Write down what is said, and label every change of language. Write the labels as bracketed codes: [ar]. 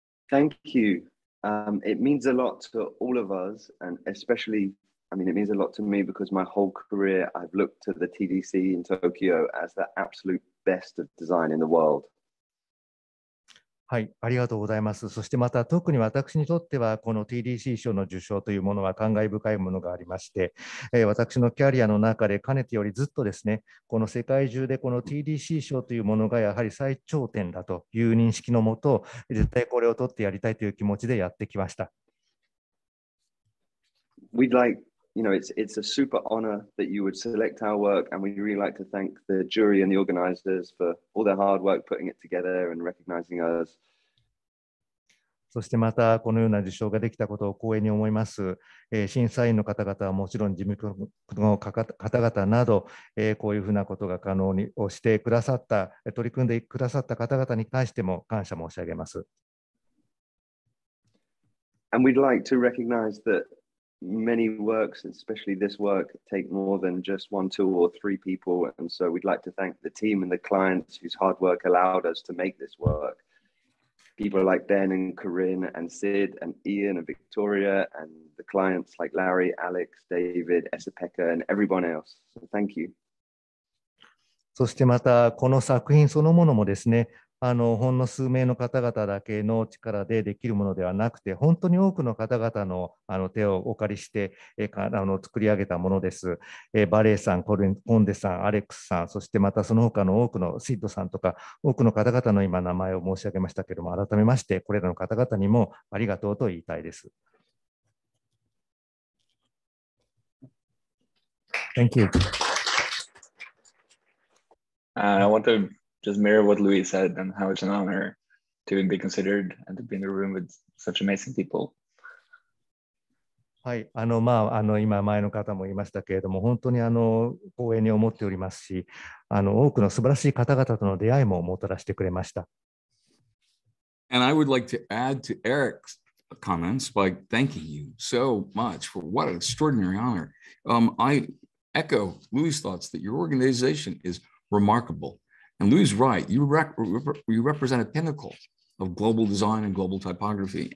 [en] Thank you. It means a lot to all of us, and especially, I mean, it means a lot to me because my whole career I've looked to the TDC in Tokyo as the absolute best of design in the world. [ja] はい、ありがとうございます。そしてまた特に私にとってはこの TDC 賞の受賞というものは感慨深いものがありまして、私のキャリアの中でかねてよりずっとですね、この世界中でこの TDC 賞というものがやはり最頂点だという認識のもと、絶対これを取ってやりたいという気持ちでやってきました。 [en] We'd like, you know, it's a super honor that you would select our work, and we'd really like to thank the jury and the organizers for all their hard work putting it together and recognizing us. [ja] そしてまたこのような受賞ができたことを光栄に思います。審査員の方々はもちろん事務局の方々など、こういうふうなことが可能にをしてくださった、取り組んでくださった方々に対しても感謝申し上げます。 [en] And we'd like to recognize that. Many works, especially this work, take more than just one, two, or three people. And so we'd like to thank the team and the clients whose hard work allowed us to make this work. People like Ben and Corinne and Sid and Ian and Victoria and the clients like Larry, Alex, David, Esa-Pekka and everyone else. So thank you. [ja] そしてまたこの作品そのものもですね、ほんの数名の方々だけの力でできるものではなくて、本当に多くの方々 の手をお借りして作り上げたものです。バレーさん、コンデさん、アレックスさん、そしてまたその他の多くのシッドさんとか、多くの方々の今、名前を申し上げましたけれども、改めまして、これらの方々にもありがとうと言いたいです。 [en] Thank you. I want toJust mirror what Louis said and how it's an honor to be considered and to be in a room with such amazing people. [ja] はい、今前の方も言いましたけれども、本当に光栄に思っておりますし、多くの素晴らしい方々との出会いももたらしてくれました。 [en] And I would like to add to Eric's comments by thanking you so much for what an extraordinary honor. I echo Louis' thoughts that your organization is remarkable. And Louis is right, you represent a pinnacle of global design and global typography.